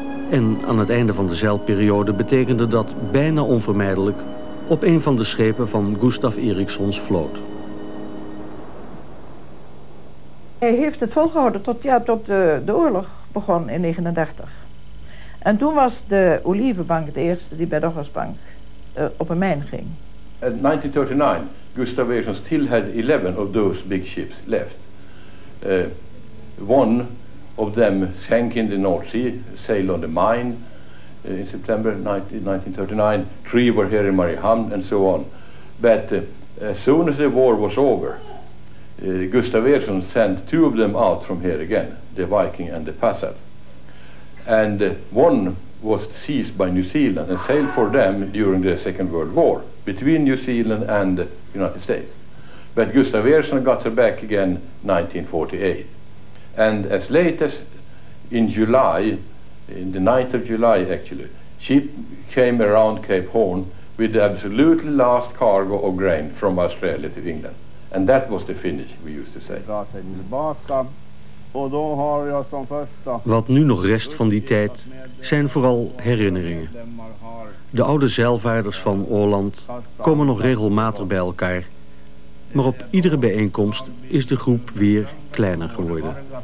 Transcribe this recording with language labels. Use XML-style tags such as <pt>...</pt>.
<nl>En aan het einde van de zeilperiode betekende dat bijna onvermijdelijk op een van de schepen van Gustav Erikssons vloot. Hij heeft het volgehouden tot de oorlog begon in 1939. En toen was de Olivenbank de eerste die bij de Hoggersbank op een mijn ging.</nl> <en>In 1939... Gustav Eriksson still had 11 of those big ships left. One of them sank in the North Sea, sailed on the mine in September 1939. Three were here in Mariehamn and so on. But as soon as the war was over, Gustav Eriksson sent two of them out from here again, the Viking and the Passat. And one was seized by New Zealand and sailed for them during the Second World War between New Zealand and United States. But Gustav Eriksson got her back again 1948. And as late as in July, in the 9th of July actually, she came around Cape Horn with the absolutely last cargo of grain from Australia to England. And that was the finish, we used to say.</en> <nl>Wat nu nog rest van die tijd zijn vooral herinneringen. De oude zeilvaarders van Åland komen nog regelmatig bij elkaar. Maar op iedere bijeenkomst is de groep weer kleiner geworden.</nl>